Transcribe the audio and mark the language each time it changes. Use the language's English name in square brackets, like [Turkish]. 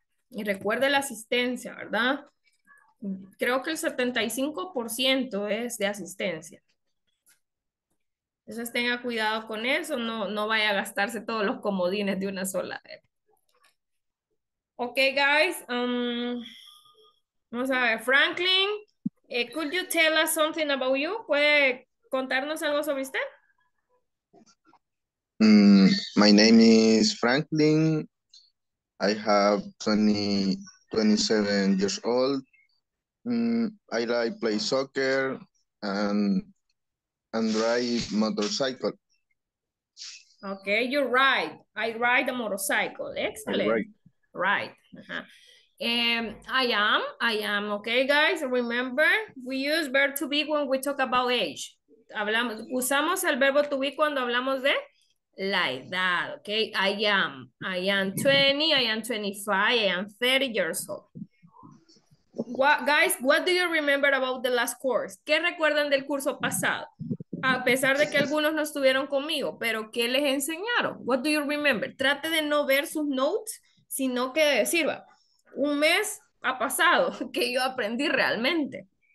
[Spanish] Y recuerde la asistencia, ¿verdad? Creo que el 75% es de asistencia. Entonces, tenga cuidado con eso. No vaya a gastarse todos los comodines de una sola vez. [English] Ok, guys. [Spanish] Vamos a ver. [English] Franklin, could you tell us something about you? [Spanish] ¿Puede contarnos algo sobre usted? [English] My name is Franklin. I have 27 years old. I like play soccer and ride motorcycle. Okay, you ride. I ride a motorcycle. Excellent. Right. Uh-huh. I am. Okay, guys, remember, we use verb to be when we talk about age. [Spanish] Hablamos, usamos el verbo to be cuando hablamos de la edad, okay? [English] I am 20, I am 25, I am 30 years old. What, guys, what do you remember about the last course? [Spanish] ¿Qué recuerdan del curso pasado? A pesar de que algunos no estuvieron conmigo, pero ¿qué les enseñaron? [English] What do you remember? [Spanish] Trate de no ver sus notes, sino que sirva. Un mes ha pasado que yo aprendí realmente.